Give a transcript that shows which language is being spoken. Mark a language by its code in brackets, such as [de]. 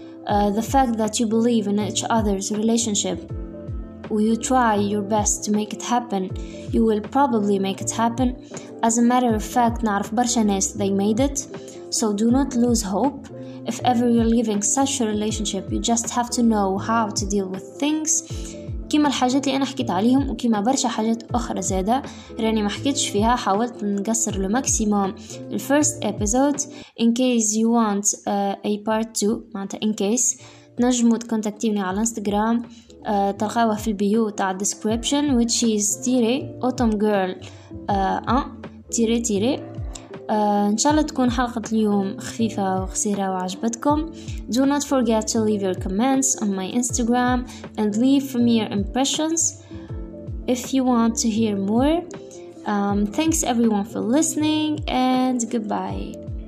[en] The fact that you believe in each other's relationship or you try your best to make it happen, you will probably make it happen. As a matter of fact, [ar] نعرف برشا ناس [en] they made it. So do not lose hope. If ever you're leaving such a relationship, you just have to know how to deal with things. [ar] كيما الحاجات اللي انا حكيت عليهم وكيما برشا حاجات اخرى زادة راني ما حكيتش فيها، حاولت نقصر لماكسيموم الفيرست ابيزود. [en] in case you want a part 2، [ar] معناتها ان كيس تنجموا تكونتاكتيني على انستغرام، تلقاوها في البيو تاع الديسكريبشن [en] which is [ar] تيري اوتوم جيرل تيري. إن شاء الله تكون حلقة اليوم خفيفة وقصيرة وعجبتكم. [en] Do not forget to leave your comments on my Instagram and leave from your impressions if you want to hear more. Thanks everyone for listening and goodbye.